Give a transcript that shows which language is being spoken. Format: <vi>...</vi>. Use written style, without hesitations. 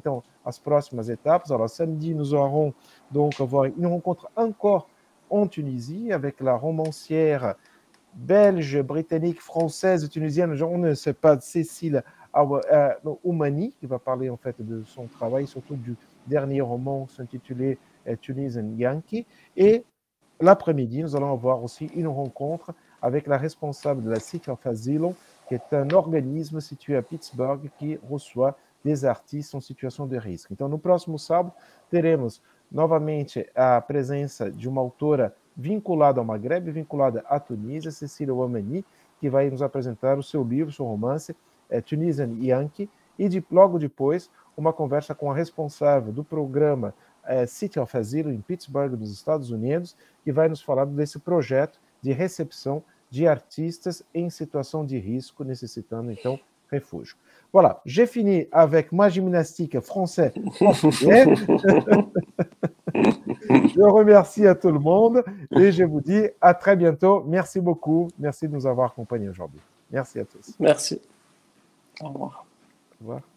<fr>Donc, les prochaines étapes. Alors, samedi, nous aurons donc une rencontre encore en Tunisie avec la romancière belge, britannique, française, tunisienne, on ne sait pas, Cécile Oumani, qui va parler en fait de son travail, surtout du dernier roman intitulé Tunisian Yankee. Et l'après-midi, nous allons avoir aussi une rencontre avec la responsable de la Seek of Asylum, qui est un organisme situé à Pittsburgh qui reçoit des artistes en situation de risque.</fr> <pt>Então, no próximo sábado, teremos novamente a presença de uma autora vinculada ao Maghreb, vinculada à Tunísia, Cécile Oumani, que vai nos apresentar o seu livro, seu romance, Tunisian Yankee, e logo depois, uma conversa com a responsável do programa City of Asylum, em Pittsburgh, nos Estados Unidos, que vai nos falar desse projeto de recepção de artistas em situação de risco, necessitando, então, refúgio.</pt> <fr>Voilà, j'ai fini avec ma gymnastique française. Je remercie à tout le monde et je vous dis à très bientôt. Merci beaucoup. Merci de nous avoir accompagnés aujourd'hui. Merci à tous. Merci. Au revoir. Au revoir.</fr>